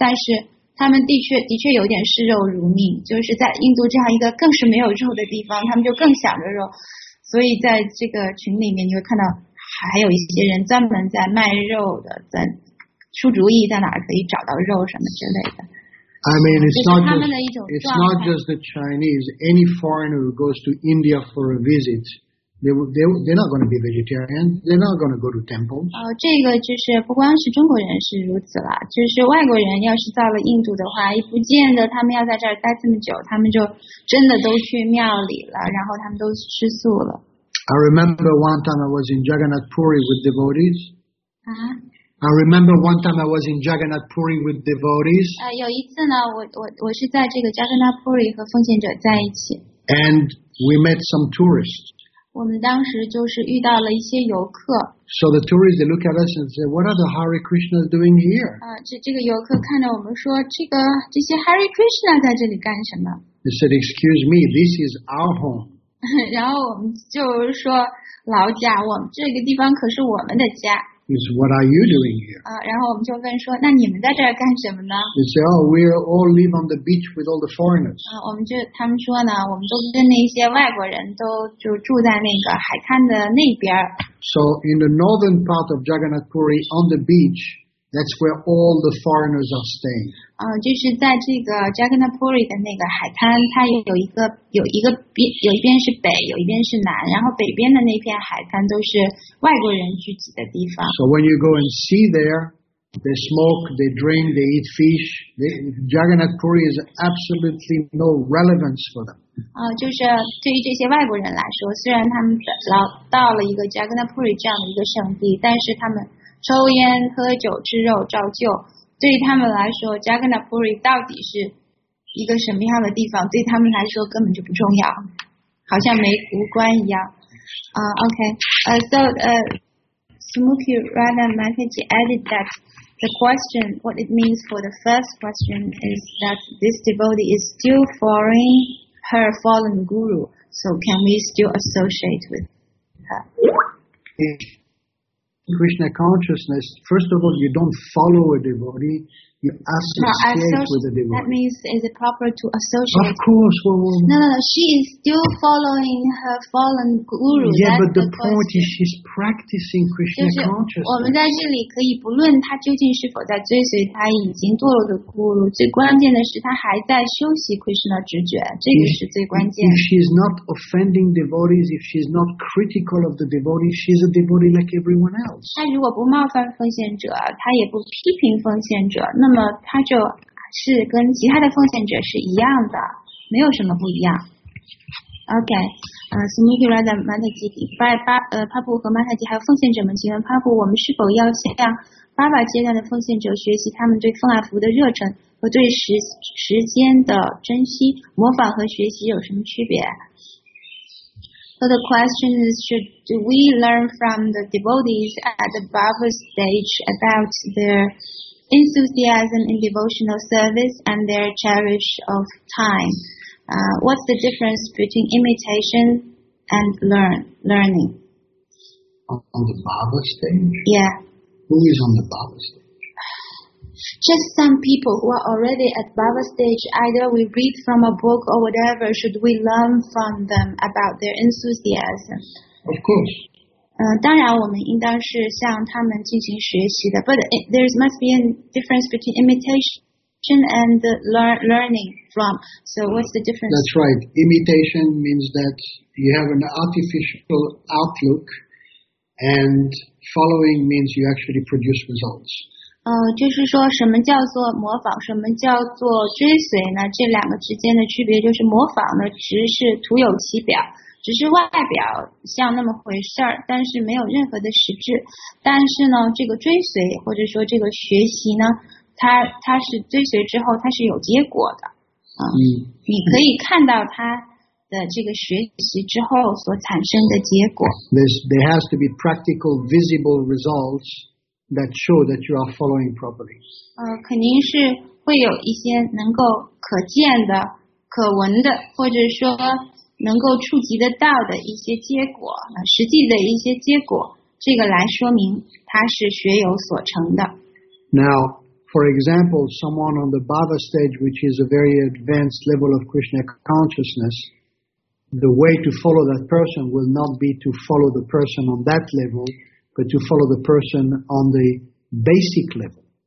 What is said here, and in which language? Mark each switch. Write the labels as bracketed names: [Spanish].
[Chinese] 但是他们的确有点视肉如命，就是在印度这样一个更是没有肉的地方，他们就更想着肉。所以在这个群里面，你会看到还有一些人专门在卖肉的，在出主意在哪可以找到肉什么之类的。 [English] I mean, it's not just the Chinese. Any foreigner who goes to India for a visit. They're not going to be vegetarian. They're not going to go to temples. [Chinese] 这个就是不光是中国人是如此啦，就是外国人要是到了印度的话，也不见得他们要在这儿待这么久，他们就真的都去庙里了，然后他们都吃素了。 [English] I remember one time I was in Jagannath Puri with devotees. I remember one time I was in Jagannath Puri with devotees. [Chinese] 有一次呢，我是在这个 Jagannath Puri 和奉献者在一起。 [English] And we met some tourists. [Chinese] 我们当时就是遇到了一些游客。 [English] So the tourists they look at us and say, "What are the Hare Krishna doing here?" [Chinese] 这个游客看到我们说，这些 Hare Krishna 在这里干什么 [English] ？They said, "Excuse me, this is our home." [Chinese] 然后我们就说，老贾，我们这个地方可是我们的家。 [English] Is what are you doing here? [Chinese] 然后我们就问说，那你们在这儿干什么呢 [English] ？They say, "Oh, we all live on the beach with all the foreigners." [Chinese] 我们就他们说呢，我们都跟那些外国人都就住在那个海滩的那边。 [English] So in the northern part of Jagannath Puri, on the beach, that's where all the foreigners are staying. [Chinese] 就是在这个 Jagannath Puri 的那个海滩，它有一个边，有一边是北，有一边是南，然后北边的那片海滩都是外国人聚集的地方。 [English] So when you go and see there, they smoke, they drink, they eat fish. Jagannath Puri is absolutely no relevance for them. [Chinese] 就是对于这些外国人来说，虽然他们到了一个 Jagannath Puri 这样的一个圣地，但是他们抽烟、喝酒、吃肉照旧。对他们来说 ，Jagannath Puri 到底是一个什么样的地方？对他们来说根本就不重要，好像没无关一样。 [English] Smukhi Radha Mataji added that the question, what it means for the first question, is that this devotee is still following her fallen guru. So can we still associate with her? Krishna consciousness, first of all, you don't follow a devotee, you associate with a devotee. That means, is it proper to associate? Of course. No, she is still following her fallen guru. Yeah,、 That's、 but the point、 question. Is she's practicing Krishna consciousness. [Chinese] 我们在这里可以不论她究竟是否在追随她已经堕落的 guru, 最关键的是她还在修习 Krishna 直觉，这个是最关键。 [English] If she's not offending devotees, if she's not critical of the devotees, she's a devotee like everyone else. [Chinese] 他如果不冒犯奉献者，他也不批评奉献者，那么他就是跟其他的奉献者是一样的，没有什么不一样。 Okay, Smukhi Radha Mataji, Prabhu 和 Mataji 还有奉献者们，请问 Prabhu, 我们是否要向八百阶段的奉献者学习他们对奉爱服务的热忱和对时间的珍惜？模仿和学习有什么区别？ [English] So the question is, should do we learn from the devotees at the Bhava stage about their enthusiasm in devotional service and their cherish of time? What's the difference between imitation and learning? On the Bhava stage? Yeah. Who is on the Bhava stage? Just some people who are already at Bhava stage, either we read from a book or whatever, should we learn from them about their enthusiasm? Of course. [Chinese] 当然我们应当是向他们进行学习的 [English] but there must be a difference between imitation and learning from. So what's the difference? That's right. Imitation means that you have an artificial outlook and following means you actually produce results. [Chinese] 就是说什么叫做模仿什么叫做追随呢这两个之间的区别就是模仿呢只是徒有其表只是外表像那么回事儿但是没有任何的实质但是呢这个追随或者说这个学习呢它是追随之后它是有结果的你可以看到它的这个学习之后所产生的结果 [English] There has to be practical visible resultsThat show that you are following properly. [Chinese] 肯定是会有一些能够可见的、可闻的，或者说能够触及得到的一些结果，实际的一些结果，这个来说明他是学有所成的。 [English] Now, for example, someone on the Bhava stage, which is a very advanced level of Krishna consciousness, the way to follow that person will not be to follow the person on that level. But to follow the person on the basic level.